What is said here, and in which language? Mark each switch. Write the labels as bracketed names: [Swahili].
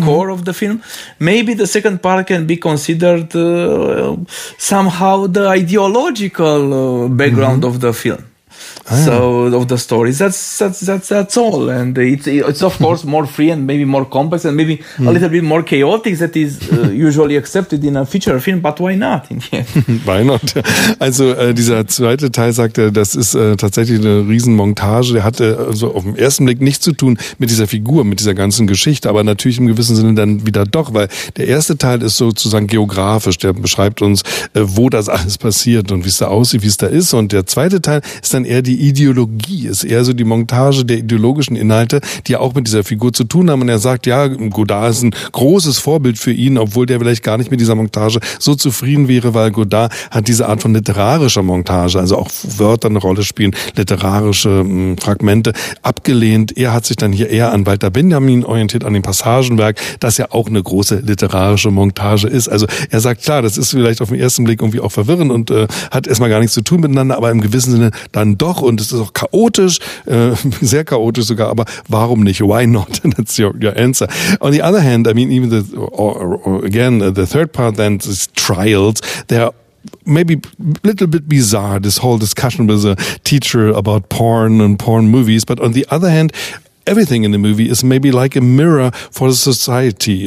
[English] decor of the film, maybe the second part can be considered somehow the ideological background mm-hmm. of the film. So of the stories, that's all, and it's of course more free and maybe more complex and maybe a little bit more chaotic that is usually accepted in a feature film, but why not in the end? Why not? [German] Also dieser zweite Teil sagt er, das ist tatsächlich eine Riesenmontage, der hatte also auf den ersten Blick nichts zu tun mit dieser Figur, mit dieser ganzen Geschichte, aber natürlich im gewissen Sinne dann wieder doch, weil der erste Teil ist sozusagen geografisch, der beschreibt uns, wo das alles passiert und wie es da aussieht, wie es da ist, und der zweite Teil ist dann eher die Ideologie, ist eher so die Montage der ideologischen Inhalte, die ja auch mit dieser Figur zu tun haben. Und er sagt, ja, Godard ist ein großes Vorbild für ihn, obwohl der vielleicht gar nicht mit dieser Montage so zufrieden wäre, weil Godard hat diese Art von literarischer Montage, also auch Wörter eine Rolle spielen, literarische Fragmente, abgelehnt. Er hat sich dann hier eher an Walter Benjamin orientiert, an dem Passagenwerk, das ja auch eine große literarische Montage ist. Also er sagt, klar, das ist vielleicht auf den ersten Blick irgendwie auch verwirrend und hat erstmal gar nichts zu tun miteinander, aber im gewissen Sinne dann doch, und es ist auch chaotisch, sehr chaotisch sogar, aber warum nicht? [English] Why not? That's your answer. On the other hand, I mean, even the third part, then, these trials, they're maybe a little bit bizarre, this whole discussion with a teacher about porn and porn movies, but on the other hand, everything in the movie is maybe like a mirror for the society.